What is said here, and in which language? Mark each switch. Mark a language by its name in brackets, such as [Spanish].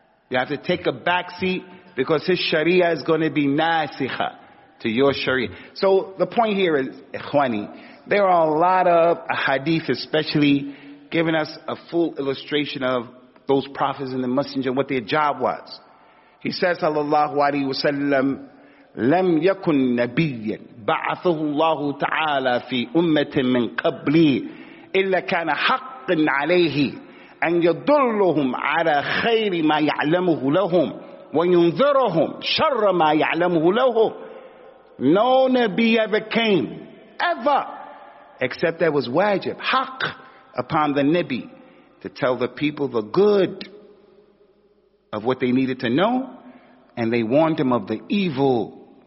[English] You have to take a back seat because his sharia is going to be nasikha to your sharia. So the point here is, ikhwani, there are a lot of hadith especially giving us a full illustration of those prophets and the messenger, what their job was. He says, sallallahu alayhi wa sallam, [Arabic] لم يكن نبيا بعثه الله تعالى في أمة من قبلي إلا كان حقا عليه أن يضلهم على خير ما يعلمه لهم وينذرهم شر ما يعلمه لهم. [English] No Nabi ever came, ever, except that was wajib, haq upon the Nabi to tell the people the good of what they needed to know, and they warned him of the evil.